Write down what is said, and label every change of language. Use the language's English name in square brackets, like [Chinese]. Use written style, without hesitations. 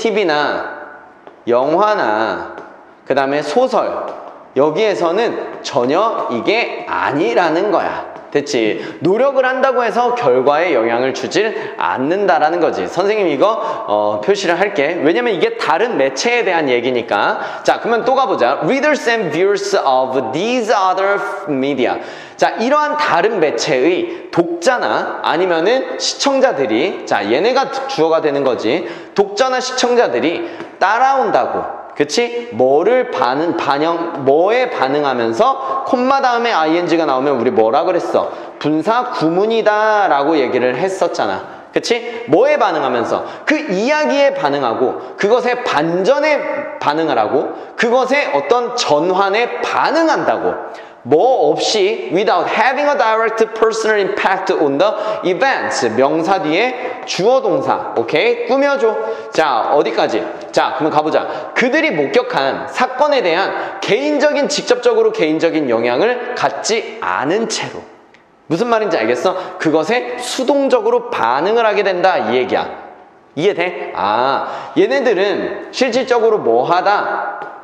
[Korean] TV나 영화나 그 다음에 소설 여기에서는 전혀 이게 아니라는 거야. 됐지? 노력을 한다고 해서 결과에 영향을 주질 않는다라는 거지. 선생님 이거 표시를 할게. 왜냐면 이게 다른 매체에 대한 얘기니까. 자, 그러면 또 가보자. [English] Readers and viewers of these other media. [Korean] 자, 이러한 다른 매체의 독자나 아니면은 시청자들이, 자, 얘네가 주어가 되는 거지. 독자나 시청자들이 따라온다고. 그치? 뭐를 반영, 뭐에 반응하면서, 콤마 다음에 ing가 나오면 우리 뭐라 그랬어? 분사 구문이다 라고 얘기를 했었잖아. 그치? 뭐에 반응하면서? 그 이야기에 반응하고, 그것의 반전에 반응을 하고, 그것의 어떤 전환에 반응한다고. 뭐 없이 [English] without having a direct personal impact on the events [Korean] 명사 뒤에 주어 동사 오케이 꾸며줘. 자, 어디까지? 자, 그러면 가보자. 그들이 목격한 사건에 대한 개인적인 직접적으로 개인적인 영향을 갖지 않은 채로 무슨 말인지 알겠어? 그것에 수동적으로 반응을 하게 된다 이 얘기야. 이해돼? 아, 얘네들은 실질적으로 뭐 하다?